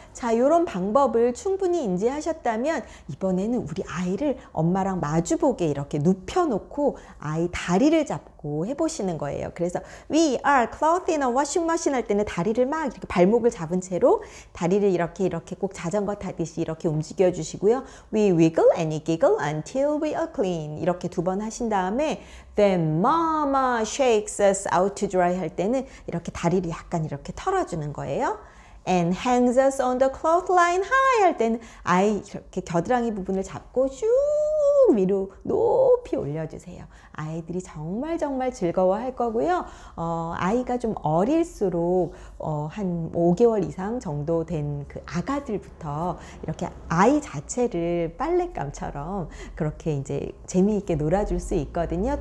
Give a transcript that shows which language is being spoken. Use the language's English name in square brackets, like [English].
[Korean] 자, 이런 방법을 충분히 인지하셨다면 이번에는 우리 아이를 엄마랑 마주보게 이렇게 눕혀놓고 아이 다리를 잡고 해보시는 거예요. 그래서 [English] We are clothed in a washing machine [Korean] 할 때는 다리를 막 이렇게 발목을 잡은 채로 다리를 이렇게 꼭 자전거 타듯이 이렇게 움직여주시고요. [English] We wiggle and giggle until we are clean [Korean] 이렇게 두 번 하신 다음에 [English] Then mama shakes us out to dry [Korean] 할 때는 이렇게 다리를 약간 이렇게 털어주는 거예요. [English] And hangs us on the clothesline high [Korean] 할 때는 아이 이렇게 겨드랑이 부분을 잡고 쭉 위로 높이 올려주세요. 아이들이 정말 즐거워할 거고요. 아이가 좀 어릴수록 한 5개월 이상 정도 된 그 아가들부터 이렇게 아이 자체를 빨랫감처럼 그렇게 이제 재미있게 놀아줄 수 있거든요.